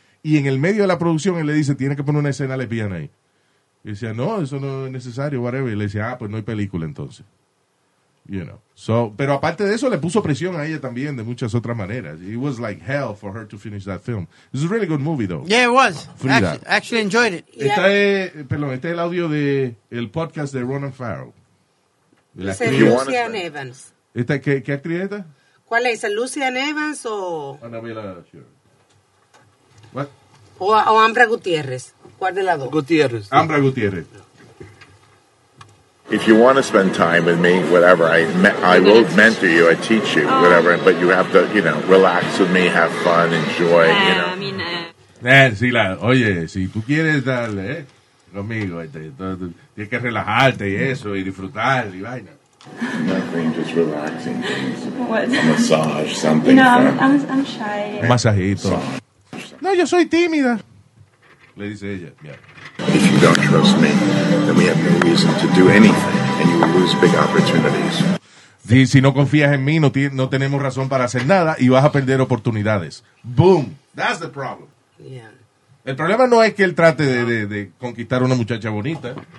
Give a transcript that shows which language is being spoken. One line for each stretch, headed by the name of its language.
Spanish: Y en el medio de la producción, él le dice, tiene que poner una escena lesbiana ahí. Y decía, no, eso no es necesario,
English: whatever.
Spanish: Y le decía, ah, pues no hay película entonces.
English: You know.
Spanish: So, pero aparte de eso, le puso presión a ella también de muchas otras maneras.
English: It was like hell for her to finish that film. It's a really good movie, though. Yeah, it was. Frida. Actually enjoyed it.
Spanish: Este es el audio de el podcast de Ronan Farrow. Dice Lucian Evans. ¿Qué actriz es esta? ¿Cuál es? ¿Lucian Evans o...? Annabella Sherry. O Ambra Gutierrez. ¿Cuál de las dos? Gutierrez. Ambra Gutierrez.
English: If you want to spend time with me, whatever, I will mentor you, I teach you, whatever, but you have to, you know, relax with me, have fun, enjoy, you know.
Spanish: Oye, si tú quieres darle, conmigo, tienes que relajarte y eso, y disfrutar, y vaina.
English: Nothing, just relaxing things. What? A massage, something. No, I'm shy.
Spanish: Un masajito. So, no, yo soy tímida. Le dice ella. Yeah.
English: If you don't trust me, then we have no reason to do anything, and you will lose big opportunities.
Spanish: Si no confías en mí, no tenemos razón para hacer nada, y vas a perder oportunidades.
English: Boom. That's the problem. Yeah.
Spanish: El problema no es que él trate de conquistar a una muchacha bonita.